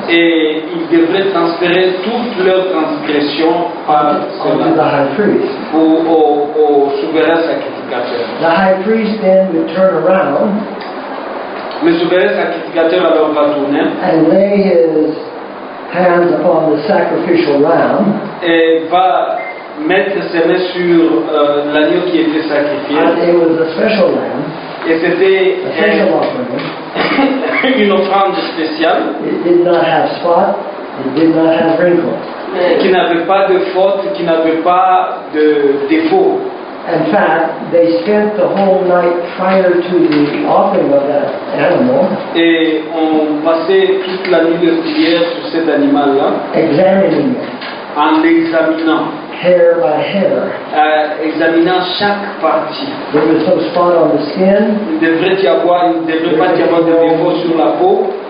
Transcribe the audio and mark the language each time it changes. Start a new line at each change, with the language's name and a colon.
French: Et ils devraient transférer toutes leurs transgressions
English: onto the high priest.
French: Au souverain sacrificateur.
English: The high priest then would turn around.
French: Le souverain sacrificateur alors va tourner.
English: And lay his hands upon the sacrificial lamb.
French: Et va mettre ses mains sur l'agneau qui était sacrifié.
English: And it was a special lamb.
French: Et c'était
English: special
French: une offrande spéciale.
English: It did not have spot. It did not have wrinkles.
French: Qui n'avait pas de faute, qui n'avait pas de défaut.
English: In fact, they spent the whole night prior to the offering of that animal.
French: Et on passait toute la nuit de prière sur cet animal-là.
English: Examining it.
French: En l'examinant.
English: Hair by hair.
French: Examinant chaque partie.
English: There was no spot on the skin.
French: Il devrait pas y avoir de défaut sur la peau.